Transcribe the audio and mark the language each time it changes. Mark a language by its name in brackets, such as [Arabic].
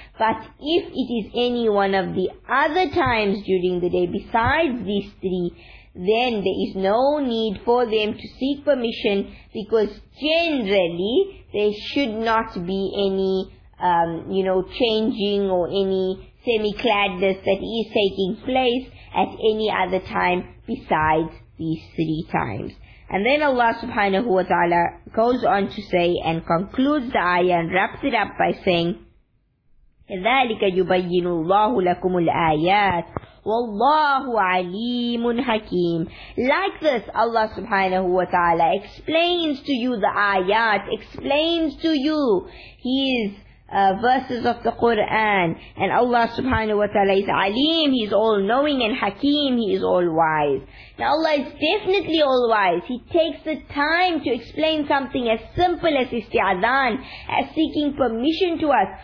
[English] But if it is any one of the other times during the day besides these three, then there is no need for them to seek permission, because generally there should not be any, changing or any semi-cladness that is taking place at any other time besides these three times. And then Allah subhanahu wa ta'ala goes on to say and concludes the ayah and wraps it up by saying, [Arabic] كذلك يبين الله لكم الآيات والله عليم حكيم. [English] Like this, Allah subhanahu wa ta'ala explains to you the ayat, explains to you His verses of the Quran, and Allah subhanahu wa ta'ala is alim, He is all knowing, and hakim, He is all wise. Now Allah is definitely all wise. He takes the time to explain something as simple as isti'adhan, as seeking permission to us.